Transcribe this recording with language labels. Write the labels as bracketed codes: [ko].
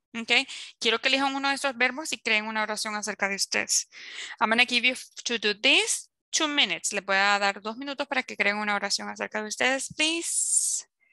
[es] Okay, quiero que elijan uno de estos verbos y creen una oración acerca de ustedes. [en] I'm going to give you to do this 2 minutes. [es] Les voy a dar 2 minutos para que creen una oración acerca de ustedes, please.